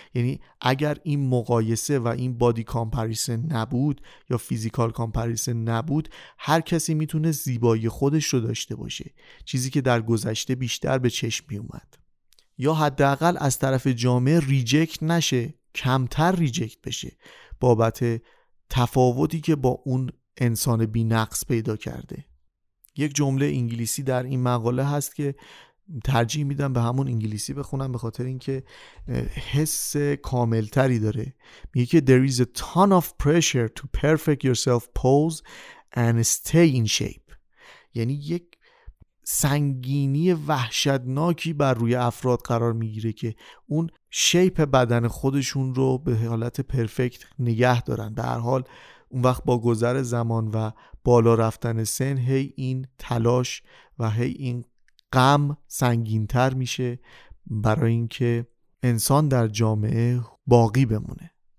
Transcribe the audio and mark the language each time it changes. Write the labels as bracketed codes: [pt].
[fa] یعنی اگر این مقایسه و این بادی کامپریسن نبود یا فیزیکال کامپریسن نبود، هر کسی می تونه زیبایی خودش رو داشته باشه، چیزی که در گذشته بیشتر به چشم می اومد، یا حداقل از طرف جامعه ریجکت نشه، کمتر ریجکت بشه بابت تفاوتی که با اون انسان بی نقص پیدا کرده. یک جمله انگلیسی در این مقاله هست که ترجیح میدم به همون انگلیسی بخونم به خاطر اینکه حس کاملتری داره. میگه که [en] there is a ton of pressure to perfect yourself pose and stay in shape. [fa] یعنی یک سنگینی وحشتناکی بر روی افراد قرار میگیره که اون شیپ بدن خودشون رو به حالت پرفکت نگه دارن. به هر حال اون وقت با گذر زمان و بالا رفتن سن، هی این تلاش و هی این غم سنگین‌تر میشه برای اینکه انسان در جامعه باقی بمونه.